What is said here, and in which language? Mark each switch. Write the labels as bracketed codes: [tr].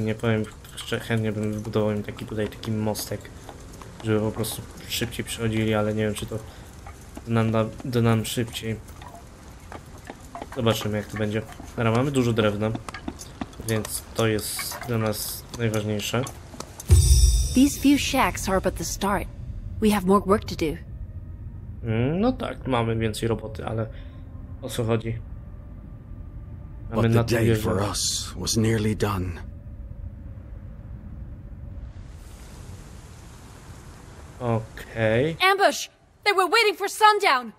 [pl] Nie powiem, jeszcze chętnie bym wybudował im taki tutaj taki mostek, żeby po prostu szybciej przechodzili, ale nie wiem, czy to do nam szybciej. Zobaczymy, jak to będzie. Teraz mamy dużo drewna, więc to jest dla nas najważniejsze. [en] These few shacks are but the start. We have more work to do. [pl] No tak, mamy więcej roboty, ale o co chodzi? [en] But the day for us was nearly done. Okay. Ambush! They were waiting for sundown.